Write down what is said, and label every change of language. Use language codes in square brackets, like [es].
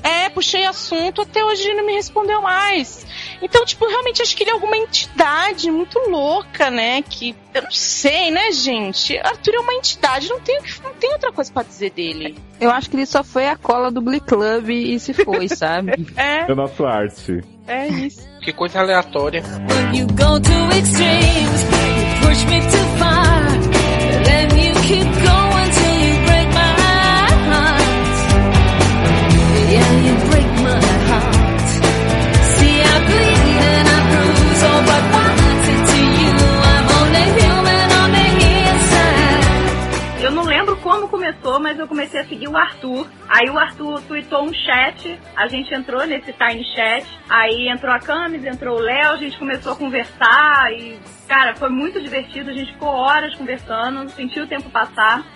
[pt] É, puxei assunto, até hoje ele não me respondeu mais. Então, tipo, realmente acho que ele é alguma entidade muito louca, né? Que, eu não sei, né, gente? Arthur é uma entidade, não tem outra coisa pra dizer dele. Eu acho que ele só foi a cola do Blee Club e se foi, sabe? É. É o nosso arte. É isso. Que coisa aleatória. [en] When you go to extremes, you push me to far, then you keep going till you break my heart. Yeah, you break my heart. See, I bleed and I bruise, all but wanted to you. I'm only human on the inside. [pt] Eu não lembro como começou, mas eu comecei a seguir o Arthur. Aí o Arthur tweetou um chat, a gente entrou nesse time chat, aí entrou a Camis, entrou o Léo, a gente começou a conversar e, cara, foi muito divertido, a gente ficou horas conversando, sentiu o tempo passar.